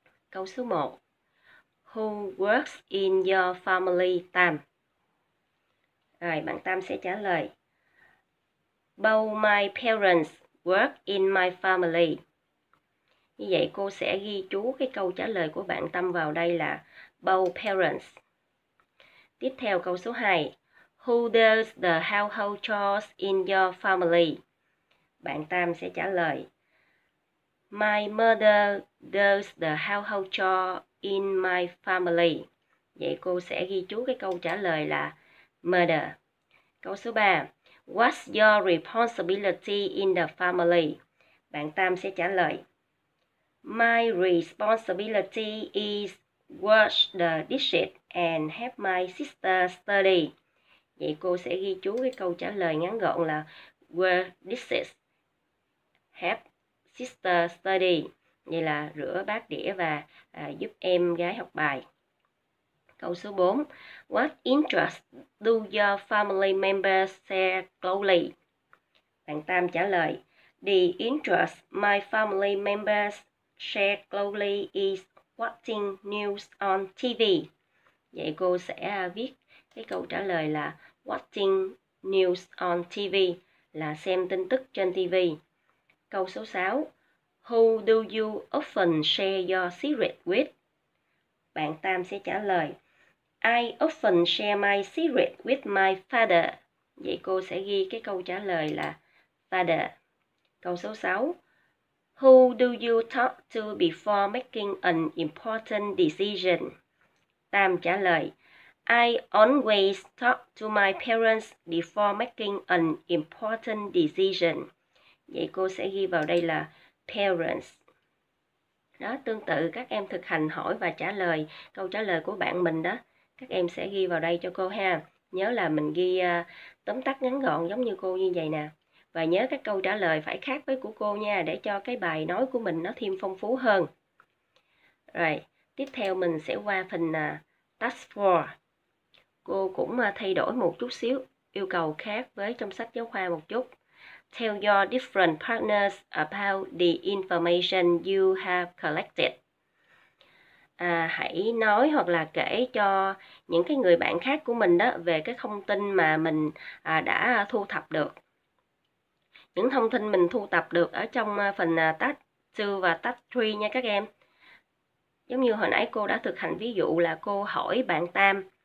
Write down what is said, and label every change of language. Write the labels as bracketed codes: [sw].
[vi] Câu số 1. [en] Who works in your family, Tam? [vi] Rồi, bạn Tam sẽ trả lời. [en] Both my parents work in my family. [vi] Như vậy, cô sẽ ghi chú cái câu trả lời của bạn Tam vào đây là [en] both parents. [vi] Tiếp theo câu số 2. [en] Who does the household chores in your family? [vi] Bạn Tam sẽ trả lời. [en] My mother does the household chore in my family. [vi] Vậy cô sẽ ghi chú cái câu trả lời là mother. Câu số 3. [en] What's your responsibility in the family? [vi] Bạn Tam sẽ trả lời. [en] My responsibility is wash the dishes and help my sister study. [vi] Vậy cô sẽ ghi chú cái câu trả lời ngắn gọn là [en] wash dishes, help sister study. [vi] Vậy là rửa bát đĩa và giúp em gái học bài. Câu số 4. [en] What interest do your family members share closely? [vi] Bạn Tam trả lời. [en] The interest my family members share closely is watching news on TV. [vi] Vậy cô sẽ viết cái câu trả lời là [en] watching news on TV [vi] là xem tin tức trên TV. Câu số 6. [en] Who do you often share your secret with? [vi] Bạn Tam sẽ trả lời. [en] I often share my secret with my father. [vi] Vậy cô sẽ ghi cái câu trả lời là father. Câu số 6. [en] Who do you talk to before making an important decision? [vi] Tam trả lời. [en] I always talk to my parents before making an important decision. [vi] Vậy cô sẽ ghi vào đây là parents. Đó, tương tự các em thực hành hỏi và trả lời câu trả lời của bạn mình đó. Các em sẽ ghi vào đây cho cô ha. Nhớ là mình ghi tóm tắt ngắn gọn giống như cô như vậy nè. Và nhớ các câu trả lời phải khác với của cô nha, để cho cái bài nói của mình nó thêm phong phú hơn. Rồi, tiếp theo mình sẽ qua phần task 4. Cô cũng thay đổi một chút xíu, yêu cầu khác với trong sách giáo khoa một chút. [en] Tell your different partners about the information you have collected. [vi] Hãy nói hoặc là kể cho những cái người bạn khác của mình đó về cái thông tin mà mình đã thu thập được. Những thông tin mình thu thập được ở trong phần task 2 và task 3 nha các em. Giống như hồi nãy cô đã thực hành ví dụ là cô hỏi bạn Tam.